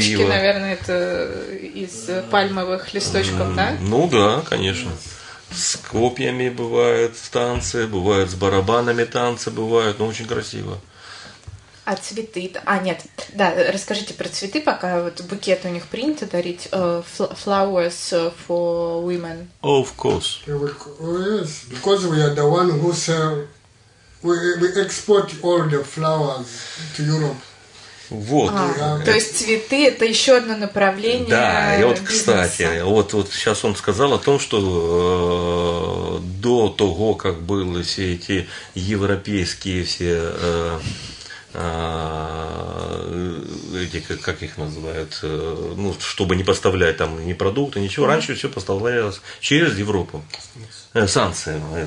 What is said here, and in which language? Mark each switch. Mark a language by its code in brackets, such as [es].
[ru] Юбочки, наверное, это из пальмовых листочков, да? Ну да, конечно. с копьями бывают танцы, бывают с барабанами танцы, бывают, ну, очень красиво. А цветы? А, нет, да, расскажите про цветы, пока вот букет у них принято дарить. [en] Flowers for women. Of course. Yes, because we are the one who sell, we export all the flowers to Europe. [ru] Вот. А, то есть цветы – это еще одно направление. Да, и вот, кстати, вот сейчас он сказал о том, что до того, как были все эти европейские все, как их называют, ну, чтобы не поставлять там ни продукты, ничего, раньше все поставлялось через Европу. Санкции.